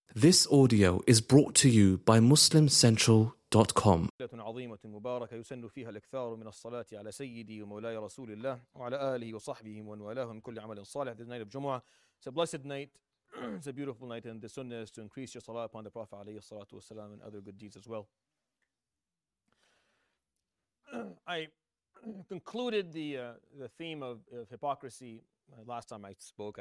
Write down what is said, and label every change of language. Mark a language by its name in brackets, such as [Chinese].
[English] This audio is brought to you by MuslimCentral.com. [Arabic] عظيمة مباركة يسن فيها الأكثار من الصلاة على سيدي ومولاي رسول الله وعلى آله وصحبه ومن والاه من كل عمل صالح. [English] This night of Jumu'ah, it's a blessed night, it's a beautiful night, and the sunnah is to increase your salah upon the Prophet [Arabic] عليه الصلاة والسلام [English] and other good deeds as well. I concluded the theme of hypocrisy last time I spoke.